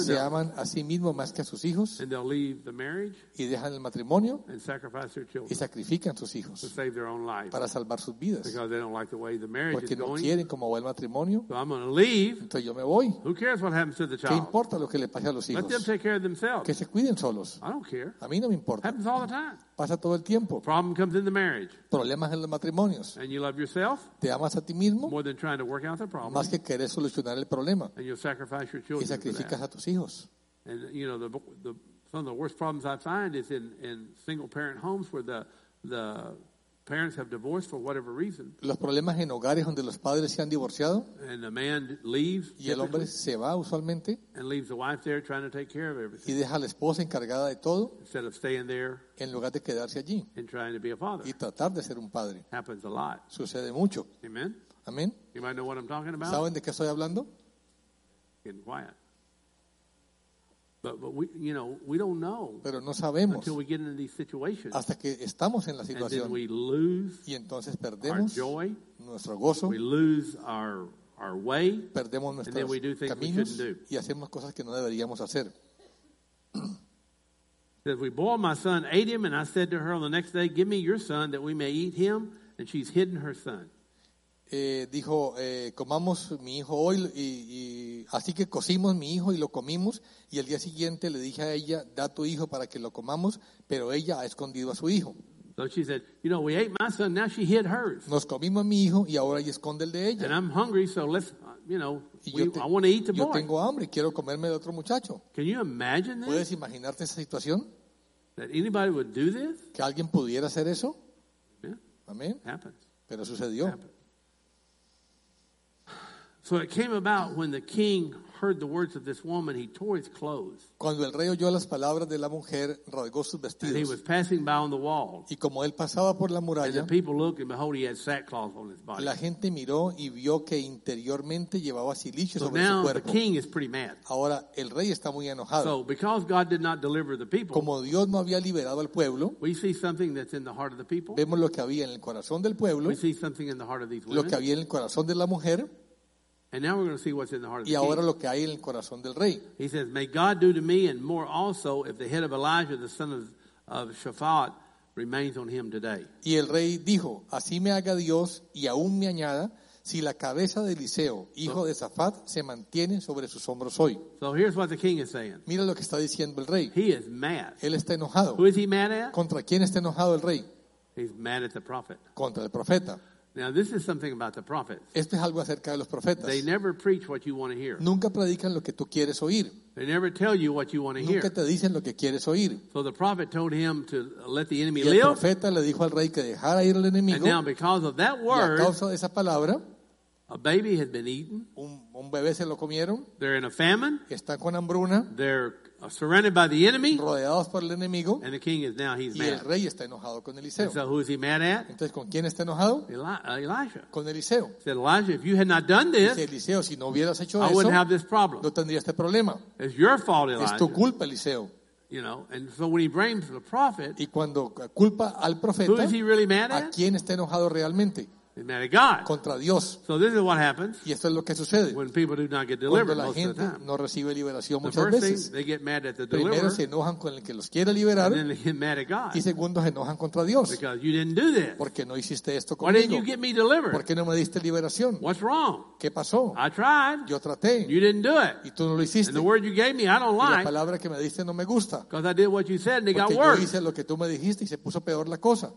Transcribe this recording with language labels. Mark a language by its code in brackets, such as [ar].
[es] Se aman a sí mismos más que a sus hijos. [en] And they'll leave the marriage. [es] Y dejan el matrimonio. [en] And sacrifice their children. [es] Y sacrifican sus hijos. [en] To save their own life. [es] Para salvar sus vidas. [en] Because they don't like the way the marriage [es] Porque [en] is going. [es] Porque no quieren como va el matrimonio. [en] So I'm going to leave. [es] Entonces yo me voy. [en] Who cares what happens to the child? [es] ¿Qué importa lo que le pase a los hijos? [en] Let them take care of themselves. [es] Que se cuiden solos. [en] I don't care. [es] A mí no me importa. [en] Happens all the time. [es] Pasa todo el tiempo. [en] Problem comes in the marriage. [es] Problemas en los matrimonios. [en] And you love yourself. [es] Te amas a ti mismo [en] more than trying to work out the problem. [es] Más que querer solucionar el problema. [en] And you sacrifice your children [es] y sacrificas a tus hijos. [en] And you know the some of the worst problems I find is in single parent homes where the parents have divorced for whatever reason. [es] Los problemas en hogares donde los padres se han divorciado. [en] And the man leaves. [es] Y el hombre se va usualmente. [en] And leaves the wife there trying to take care of everything. [es] Y deja a la esposa encargada de todo. [en] Instead of staying there. [es] En lugar de quedarse allí. [en] And trying to be a father. [es] Y tratar de ser un padre. [en] Happens a lot. [es] Sucede mucho. Amen. Amen. [en] You might know what I'm talking about. [es] ¿Saben de qué estoy hablando? [en] Getting quiet. But we, you know, we don't know. [es] Pero no sabemos. [en] Until we get into these situations. [es] Hasta que estamos en la situación. [en] And then we lose. [es] Y entonces perdemos. [en] Our joy. [es] Nuestro gozo. [en] We lose our way. [es] Perdemos nuestros caminos. [en] And then we do things [es] caminos, [en] we shouldn't do. [es] Y hacemos cosas que no deberíamos hacer. [en] Says we boiled my son, ate him, and I said to her on the next day, "Give me your son that we may eat him." And she's hidden her son. [es] Dijo, comamos mi hijo hoy, y así que cocimos mi hijo y lo comimos, y el día siguiente le dije a ella, da tu hijo para que lo comamos, pero ella ha escondido a su hijo. [en] So she said, you know, we ate my son, now she hid hers. [es] Nos comimos a mi hijo, y ahora ella esconde el de ella. [en] And I'm hungry, so let's, you know, I want to eat the boy. [es] Yo tengo hambre, quiero comerme el otro muchacho. [en] Can you imagine this? [es] ¿Puedes imaginarte esa situación? [en] That anybody would do this? [es] ¿Que alguien pudiera hacer eso? Yeah. Amén. [en] Happens. [es] Pero sucedió. [en] Happens. So it came about when the king heard the words of this woman, he tore his clothes. [es] Cuando el rey oyó las palabras de la mujer, rasgó sus vestidos. [en] And he was passing by on the wall. [es] Y como él pasaba por la muralla, [en] and the people looked and behold, he had sackcloth on his body. [es] La gente miró y vio que interiormente llevaba cilicio [en] so [es] sobre [en] now [es] su cuerpo. [en] The king is pretty mad. [es] Ahora el rey está muy enojado. [en] So because God did not deliver the people, [es] como Dios no había liberado al pueblo, [en] we see something that's in the heart of the people. [es] Vemos lo que había en el corazón del pueblo. [en] We see something in the heart of these women. [es] Lo que había en el corazón de la mujer. [en] And now we're going to see what's in the heart of the king. [es] Y ahora lo que hay en el corazón del rey. [en] He says, "May God do to me and more also if the head of Elijah, the son of Shaphat, remains on him today." [es] Y el rey dijo, "Así me haga Dios y aún me añada si la cabeza de Eliseo, hijo de Shaphat, se mantiene sobre sus hombros hoy." [en] So here's what the king is saying. [es] Mira lo que está diciendo el rey. [en] He is mad. [es] Él está enojado. [en] Who is he mad at? [es] ¿Contra quién está enojado el rey? [en] He's mad at the prophet. [es] Contra el profeta. [en] Now this is something about the prophets. [es] Esto es algo acerca de los profetas. [en] They never preach what you want to hear. [es] Nunca predican lo que tú quieres oír. [en] They never tell you what you want to hear. [es] Nunca te dicen lo que quieres oír. [en] So the prophet told him to let the enemy [es] y el [en] live. [es] El profeta le dijo al rey que dejara ir al enemigo. [en] And now because of that word, [es] y a causa de esa palabra, [en] a baby had been eaten. [es] Un bebé se lo comieron. [en] They're in a famine. [es] Están con hambruna. [en] They're surrounded by the enemy. [es] Rodeados por el enemigo. [en] And the king is now, he's [es] y [en] mad. [es] Y el rey está enojado con Eliseo. [en] And so who is he mad at? [es] Entonces, ¿con quién está enojado? [en] Elijah. [es] Con Eliseo. [en] He said, "Elijah, if you had not done this, [es] dice, Eliseo, si no hubieras hecho [en] I [es] eso, [en] wouldn't have this problem. [es] No tendría este problema. [en] It's your fault, Elijah. [es] Es tu culpa, Eliseo." [en] You know, and so when he blames the prophet, [es] y cuando culpa al profeta, [en] who is he really mad at? [es] ¿A quién está enojado realmente? [en] He's mad at God. [es] Contra Dios. [en] So this is what happens. [es] Y esto es lo que sucede. [en] When people do not get delivered most of the time. [es] Cuando la gente no recibe liberación [en] the [es] muchas [en] first [es] veces. [en] Thing, they get mad at the deliverer. [es] Primero se enojan con el que los quiere liberar. [en] And then they get mad at God. [es] Y segundo se enojan contra Dios. [en] Because you didn't do this. [es] Porque no hiciste esto conmigo. [en] Why didn't you get me delivered? [es] ¿Por qué no me diste liberación? [en] What's wrong? [es] ¿Qué pasó? [en] I tried. [es] Yo traté. [en] You didn't do it. [es] Y tú no lo hiciste. [en] And the word you gave me, I don't like. [es] Y la palabra que me diste no me gusta. [en] Because I did what you said and it got worse. [es] Porque yo hice lo que tú me dijiste y se puso peor la cosa.